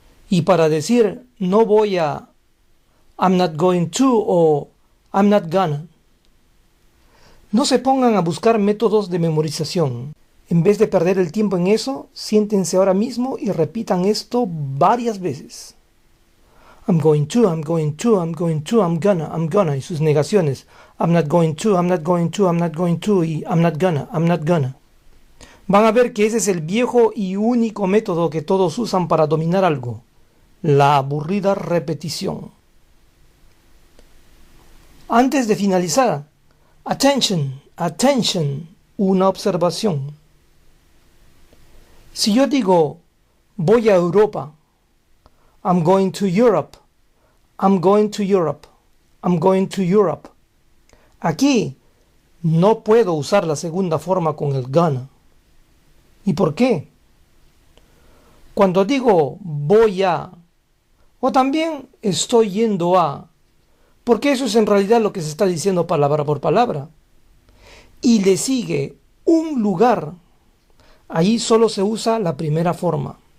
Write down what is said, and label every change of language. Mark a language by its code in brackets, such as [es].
[es] Y para decir no voy a, [en] I'm not going to [es] o [en] I'm not gonna. [es] No se pongan a buscar métodos de memorización. En vez de perder el tiempo en eso, siéntense ahora mismo y repitan esto varias veces. [en] I'm going to, I'm going to, I'm going to, I'm gonna, [es] y sus negaciones. [en] I'm not going to, I'm not going to, I'm not going to, y I'm not gonna, I'm not gonna. [es] Van a ver que ese es el viejo y único método que todos usan para dominar algo. La aburrida repetición. Antes de finalizar, [en] attention, attention, [es] una observación. Si yo digo, voy a Europa, [en] I'm going to Europe, I'm going to Europe, I'm going to Europe. [es] Aquí no puedo usar la segunda forma con el gonna. ¿Y por qué? Cuando digo voy a, o también estoy yendo a, porque eso es en realidad lo que se está diciendo palabra por palabra, y le sigue un lugar, ahí solo se usa la primera forma.